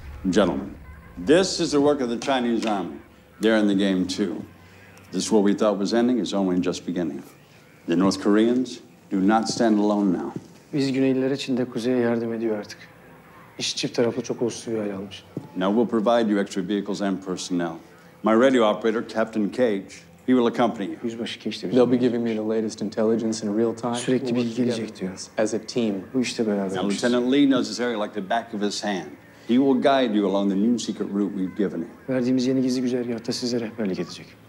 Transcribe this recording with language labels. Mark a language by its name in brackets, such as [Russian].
[English] Gentlemen, this is the work of the Chinese army. They're in the game too. This what we thought was ending is only just beginning. The North Koreans do not stand alone now. [Turkish] Biz Güneyliler için de Kuzey'e yardım ediyor artık. İş çift taraflı çok uluslu bir hal almış. [English] Now we'll provide you extra vehicles and personnel. My radio operator, Captain Cage, he will accompany you. [Turkish] Yüzbaşı Cage de [English] They'll be giving me the latest intelligence in real time. [Turkish] Sürekli bilgi gelecek diyor. [English] As a team. [Turkish] Bu işte beraber. [English] Now Lieutenant Lee knows this area like the back of his hand. He will guide you along the new secret route we've given him. [Turkish] Verdiğimiz yeni gizli güzergahta size rehberlik edecek.